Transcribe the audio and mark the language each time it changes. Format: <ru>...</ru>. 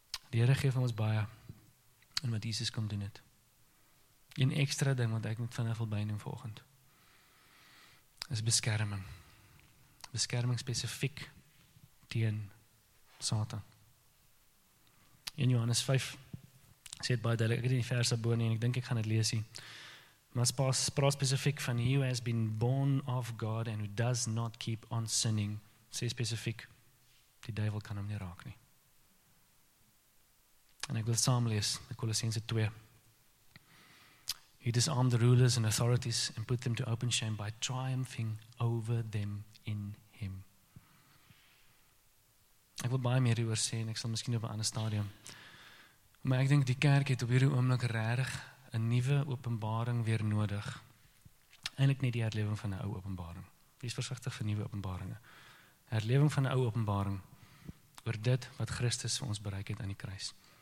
<af>Die Here gee vir ons baie in wat Jesus kom doen het. Een extra ding wat ek moet vinnig wil bynoem volgend. Is beskerming. Beskerming spesifiek teen Satan. In Johannes 5 sê het baie duidelijk, ek het in die vers daarbo nie en ek dink ek gaan het lees hier. Maar praat spesifiek van</af> <en>He who has been born of God and who does not keep on sinning,</en> <af>sê spesifiek, die duivel kan hom nie raak nie. En ek wil saamlees met Kolossense 2.</af> <en>He disarmed the rulers and authorities and put them to open shame by triumphing over them in Him.</en> <af>Ek wil baie meer hieroor sê en ek sal miskien op 'n ander stadium. Maar ek dink die kerk het op hierdie oomblik regtig 'n nuwe openbaring weer nodig. Eindelik net die herlewing van 'n ou openbaring. Wees versigtig vir nuwe openbaringe. Herlewing van 'n ou openbaring oor dit wat Christus vir ons bereik het aan die kruis.</af>